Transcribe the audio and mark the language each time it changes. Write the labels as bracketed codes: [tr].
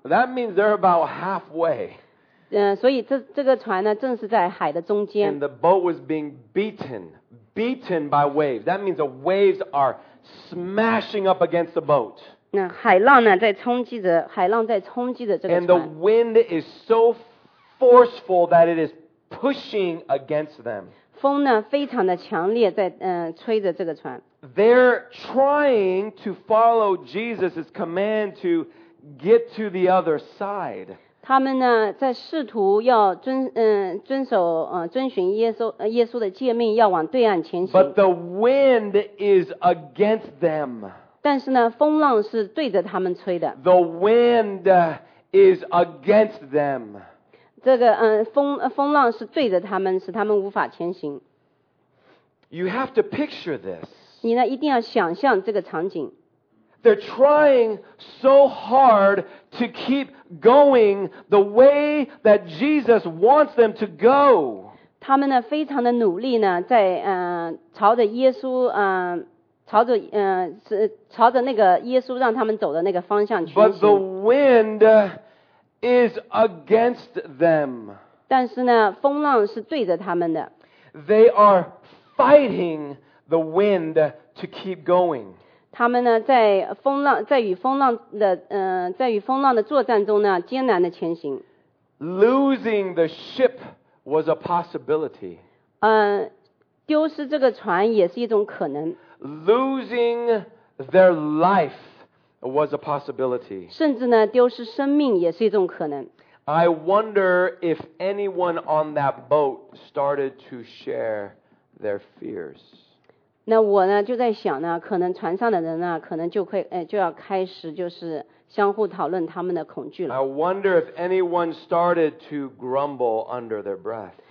[en] That means they're about halfway. [zh] 所以这个船呢，正是在海的中间。 [en] And the boat was being beaten by waves. That means the waves are smashing up against the boat. [zh] 那海浪呢，在冲击着这个船。 [en] And the wind is so forceful that it is pushing against them. [zh] 风呢，非常的强烈，在吹着这个船。 [en] They're trying to follow Jesus' command to get to the other side. [zh] 他们呢在试图要 遵守遵循耶稣的诫命，要往对岸前行。 [en] But the wind is against them. [zh] 但是呢风浪是对着他们吹的。 [en] The wind is against them. [zh] 这个风浪是对着他们，使他们无法前行。 [en] You have to picture this. [zh] 你呢一定要想象这个场景。 [en] They're trying so hard to keep going the way that Jesus wants them to go. [zh] 他们呢非常的努力呢在朝着耶稣朝着那个耶稣让他们走的那个方向去。 [en] But the wind is against them. [zh] 但是呢风浪是对着他们的。 [en] They are fighting the wind to keep going. [zh] 他们呢在风浪在与风浪的在与风浪的作战中呢艰难的前行。 [en] Losing the ship was a possibility. [zh] 丢失这个船也是一种可能。 [en] Losing their life was a possibility. [zh] 甚至呢丢失生命也是一种可能。 [en] I wonder if anyone on that boat started to share their fears. [zh] 那我呢就在想呢可能船上的人呢可能就会就要开始就是相互讨论他们的恐惧了。 [en] I wonder if anyone started to grumble under their breath.